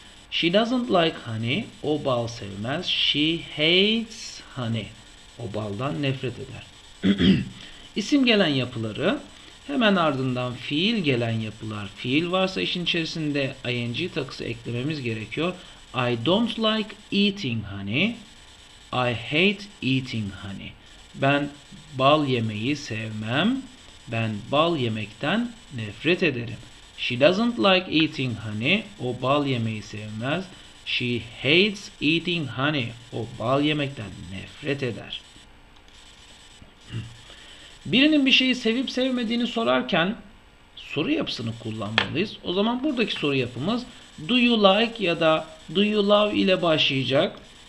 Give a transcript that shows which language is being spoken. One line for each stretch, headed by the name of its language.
English: She doesn't like honey.
Turkish: O bal sevmez.
English: She hates honey.
Turkish: O baldan nefret eder. İsim gelen yapıları, hemen ardından fiil gelen yapılar. Fiil varsa işin içerisinde ing takısı eklememiz gerekiyor.
English: I don't like eating honey. I hate eating honey.
Turkish: Ben bal yemeği sevmem. Ben bal yemekten nefret ederim.
English: She doesn't like eating honey.
Turkish: O bal yemeği sevmez.
English: She hates eating honey.
Turkish: O bal yemekten nefret eder. Birinin bir şeyi sevip sevmediğini sorarken soru yapısını kullanmalıyız. O zaman buradaki soru yapımız
English: do you like
Turkish: ya da
English: do you love
Turkish: ile başlayacak.